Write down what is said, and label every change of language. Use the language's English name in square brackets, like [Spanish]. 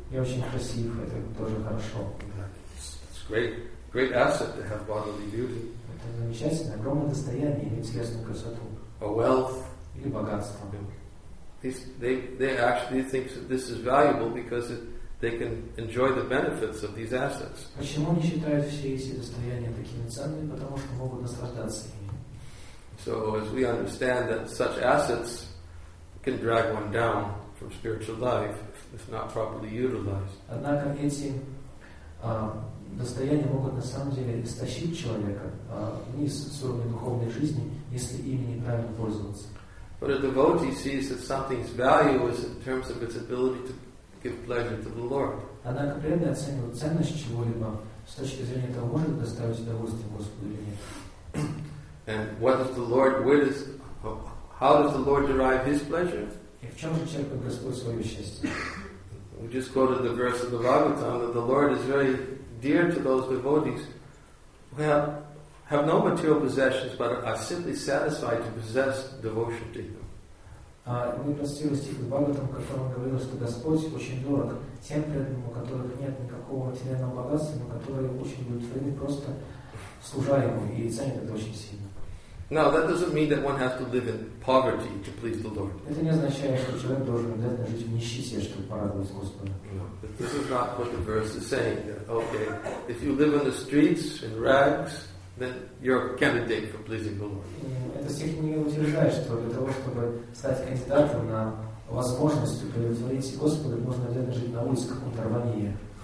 [Russian] Я очень красив, это тоже хорошо. [English] It's great asset to have bodily beauty. [Russian] Это замечательно, огромное достояние иметь телесную красоту. [English] A wealth. [Russian] Или богатство. [English] They actually think that this is valuable because they can enjoy the benefits of these assets. [Russian] Почему они считают все эти достояния такими ценными? Потому что могут наслаждаться ими. [English] So as we understand that such assets can drag one down from spiritual life, if not properly utilized. [Russian] Однако эти достояния могут на самом деле истощить человека вниз с уровня духовной жизни, если ими неправильно пользоваться. [English] But a devotee sees that something's value is in terms of its ability to give pleasure to the Lord. [Russian] Однако преданный оценивает ценность чего-либо с точки зрения того, может доставить удовольствие Господу или нет. [English] And what does the Lord, where does, how does the Lord derive His pleasure? [Russian] И в чем же черпает Господь свое счастье? [English] We just quoted the verse of the Bhagavatam that the Lord is very dear to those devotees who have no material possessions but are simply satisfied to possess devotion to Him. [Russian] Мы прочитали стих из Бхагаватам, в котором говорилось, что Господь очень дорог тем преданным, у которых нет никакого материального богатства, но которые очень удовлетворены просто служа Ему и ценят это очень сильно. [English] Now, that doesn't mean that one has to live in poverty to please the Lord. [Russian] Это не означает, что человек должен обязательно жить в нищете, чтобы порадовать Господа. [English] But this is not what the verse is saying. Okay, if you live in the streets, in rags, then you're a candidate for pleasing the Lord. [Russian] Это стих не утверждает, что для того, чтобы стать кандидатом на возможность удовлетворить Господа, можно обязательно жить на улице, как будто рванье.